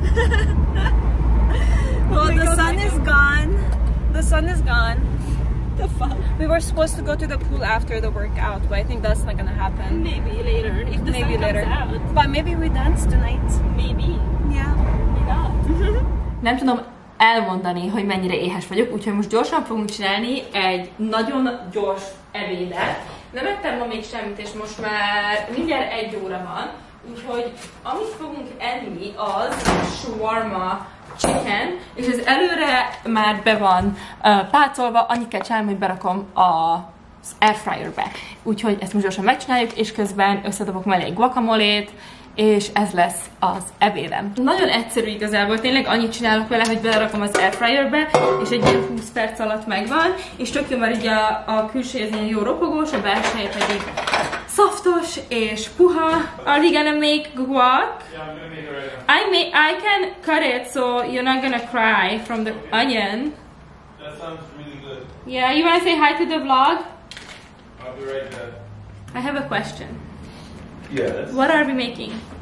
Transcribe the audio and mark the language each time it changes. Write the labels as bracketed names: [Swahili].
[English] Yeah. Well, the sun is gone. The sun is gone. The fuck? We were supposed to go to the pool after the workout, but I think that's not gonna happen. Maybe later. If the maybe sun later. Comes out. But maybe we dance tonight. Maybe. Yeah. Maybe not. [Hungarian] Nem tudom. Elmondani, hogy mennyire éhes vagyok, úgyhogy most gyorsan fogunk csinálni egy nagyon gyors ebédet. Nem ettem ma még semmit, és most már mindjárt egy óra van, úgyhogy amit fogunk enni, az shawarma chicken, és ez előre már be van pácolva, annyit kell csinálni, hogy berakom az airfryerbe. Úgyhogy ezt most gyorsan megcsináljuk, és közben összedobok mellé egy guacamolét, és ez lesz az ebédem. Nagyon egyszerű igazából, tényleg annyit csinálok vele, hogy belerakom az airfryerbe, és egy ilyen 20 perc alatt megvan, és tök jó, mert így a külső ez ilyen jó ropogós, a belseje pedig szaftos és puha. [English] Are you gonna make guac? Yeah, I'm gonna make it. I can cut it, so you're not gonna cry from the okay. onion. That sounds really good. Yeah, you wanna say hi to the vlog? I'll be right there. I have a question. Yes. What are we making?